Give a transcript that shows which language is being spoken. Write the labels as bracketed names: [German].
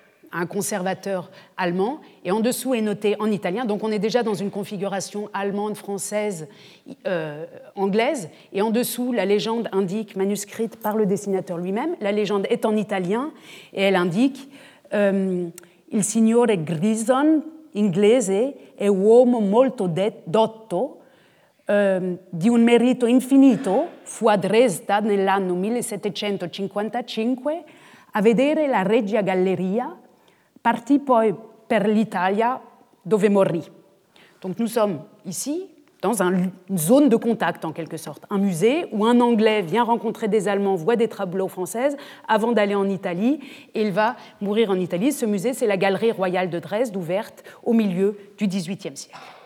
[French] un conservateur allemand, et en dessous est noté en italien, donc on est déjà dans une configuration allemande, française, anglaise, et en dessous, la légende indique, manuscrite par le dessinateur lui-même, la légende est en italien, et elle indique « [Italian] Il signore Grison, inglese, è uomo molto dotto, di un merito infinito, fu a Dresda nell'anno 1755 a vedere la Regia Galleria, partì poi per l'Italia dove morì. [French] Donc nous sommes ici dans une zone de contact en quelque sorte, un musée où un Anglais vient rencontrer des Allemands, voit des tableaux françaises avant d'aller en Italie et il va mourir en Italie. Ce musée, c'est la Galerie Royale de Dresde, ouverte au milieu du XVIIIe siècle.